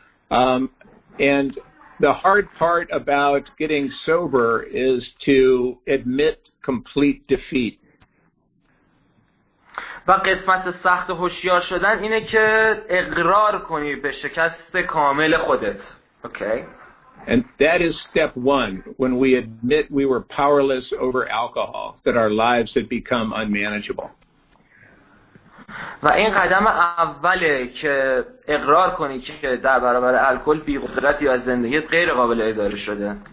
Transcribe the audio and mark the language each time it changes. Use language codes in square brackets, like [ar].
[en] And the hard part about getting sober is to admit complete defeat. [fa] و قسمت سخت هوشیار شدن اینه که اقرار کنی به شکست کامل خودت. [en] Okay. And that is step one, when we admit we were powerless over alcohol, that our lives had become unmanageable. [fa] و این قدم اوله که اقرار کنی که در برابر الکل بی‌قدرتی از زندگیت غیر قابل اداره شده.